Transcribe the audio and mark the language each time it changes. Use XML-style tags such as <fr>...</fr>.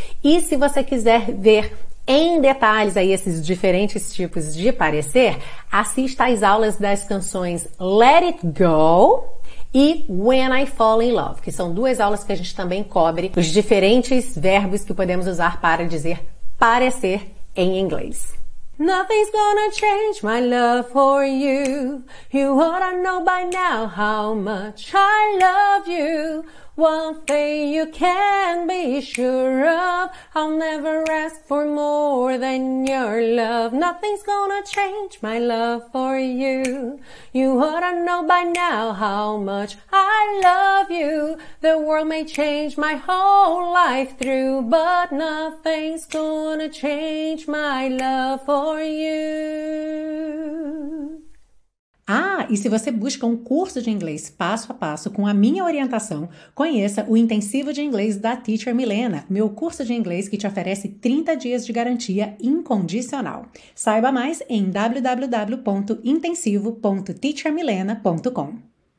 <pt>E se você quiser ver em detalhes aí esses diferentes tipos de parecer, assista às aulas das canções Let It Go e When I Fall in Love, que são duas aulas que a gente também cobre os diferentes verbos que podemos usar para dizer parecer em inglês.</pt> <en>Nothing's gonna change my love for you. You oughta know by now how much I love you. One thing you can be sure of, I'll never ask for more than your love. Nothing's gonna change my love for you. You oughta know by now how much I love you. The world may change my whole life through, but nothing's gonna change my love for you.</en> <pt>Ah, e se você busca um curso de inglês passo a passo com a minha orientação, conheça o Intensivo de Inglês da Teacher Milena, meu curso de inglês que te oferece 30 dias de garantia incondicional. Saiba mais em www.intensivo.teachermilena.com.</pt>